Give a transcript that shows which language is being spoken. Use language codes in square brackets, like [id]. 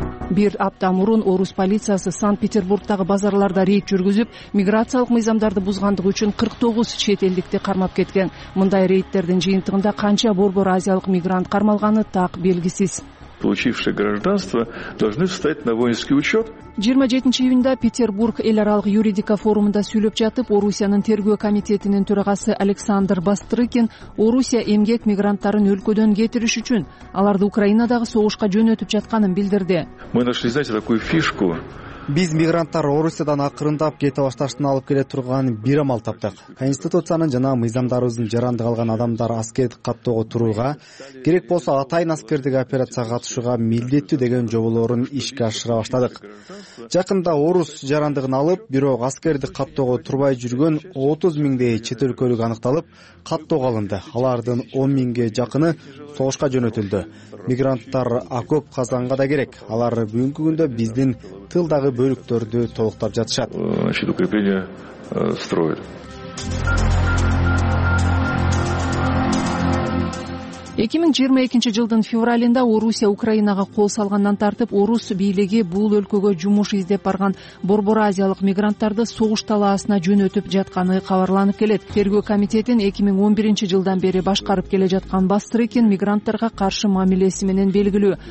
[ky] Бир апта мурун орус полициясы Санкт-Петербургтагы базарларда рейд жүргүзүп, миграциялык мыйзамдарды бузгандыгы үчүн 49 чет элдикти кармап кеткен. Мындай рейдтердин жыйынтыгында канча борбор азиялык мигрант кармалганы так белгисиз. [ru] Получившие гражданство должны встать на воинский учет. [ky] 27 июнда Петербург эл аралык юридика форумунда сүйлөп жатып, Орусиянын тергөө комитетинин төрагасы Александр Бастрыкин Орусия эмгек мигранттарын өлкөдөн кетириш үчүн аларды Украинадагы согушка жөнөтүп жатканын билдирди. [ru] Мы нашли, знаете, такую фишку. [ky] Биз мигранттар Орусиядан акырындап кете башташтын алып келе турган бир амал таптык. Конституциянын жана мыйзамдарыбыздын жарандык алган адамдар аскердик каттоого турууга, керек болсо атайын аскердик операцияга катышууга милдеттүү деген жоболорун ишке ашыра баштадык. Жакында орус жарандыгын алып, бирок аскердик каттоого турбай жүргөн 30 000 чет өлкөлүк аныкталып, каттоого алынды. Алардын 10 000 жакыны согушка жөнөтүлдү. Мигранттар окоп казанга да керек. Алар бүгүнкү күндө биздин тылдагы бөлүктөрдү толуктап жатышат. [ru] Значит, укрепление строят. [ky] жылдын февралында Орусия Украинага кол салгандан тартып, орус бийлиги бул өлкөгө жумуш издеп барган борбор азиялык мигранттарды согуш талаасына жөнөтүп жатканы кабарланып келет. Тергөө комитетин 2011 жылдан бери башкарып келе жаткан Бастрыкин мигранттарга каршы мамилеси менен белгилүү.